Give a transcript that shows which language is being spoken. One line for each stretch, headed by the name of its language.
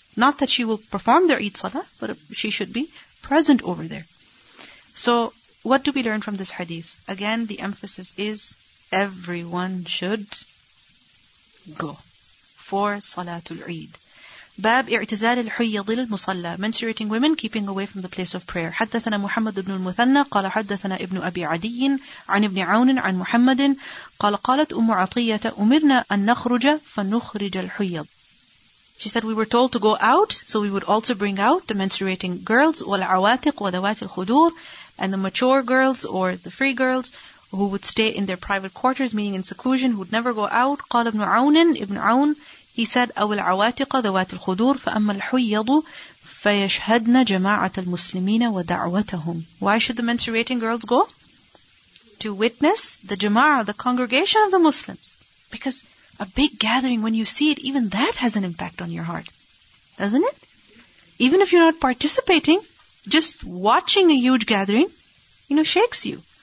English: Not that she will perform the Eid salah, but she should be present over there. So what do we learn from this hadith? Again, the emphasis is everyone should go for Salatul Eid.
Arabic: باب اعتزال الحيض المصلى,
English: menstruating women keeping away from the place of prayer.
Arabic: حدثنا محمد بن المثنى قال حدثنا ابن أبي عدي عن ابن عون عن محمد قال قالت أم عطية أمرنا أن نخرج فنخرج الحيض.
English: She said, we were told to go out, so we would also bring out the menstruating girls,
Arabic: والعواتق وذوات الخدور,
English: and the mature girls or the free girls who would stay in their private quarters, meaning in seclusion, who would never go out.
Arabic: قال ابن عون, ابن عون,
English: he said,
Arabic: أو العواتق ذوات الخدور فأما الحيض فيشهدن جماعة المسلمين ودعوتهم.
English: Why should the menstruating girls go? To witness the jama'ah, the congregation of the Muslims. Because a big gathering, when you see it, even that has an impact on your heart. Doesn't it? Even if you're not participating, just watching a huge gathering, you know, shakes you.